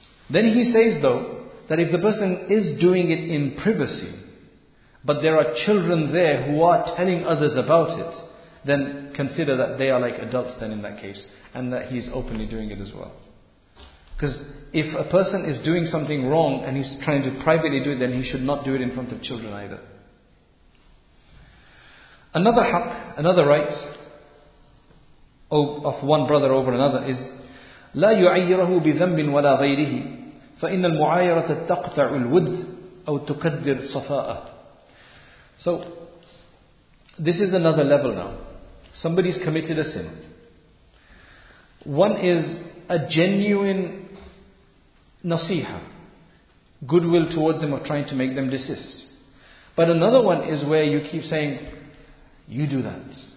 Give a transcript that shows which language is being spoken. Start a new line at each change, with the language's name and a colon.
English: Then he says though, that if the person is doing it in privacy, but there are children there who are telling others about it, then consider that they are like adults then in that case, and that he is openly doing it as well. Because if a person is doing something wrong and he's trying to privately do it, then he should not do it in front of children either. Another haq, another right of one brother over another is
Arabic: لا يعيره بذنب ولا غيره فإن المعايرة تقطع الود أو تكدر صفاء.
English: So this is another level now. Somebody's committed a sin. One is a genuine nasiha, goodwill towards them of trying to make them desist. But another one is where you keep saying, you do that.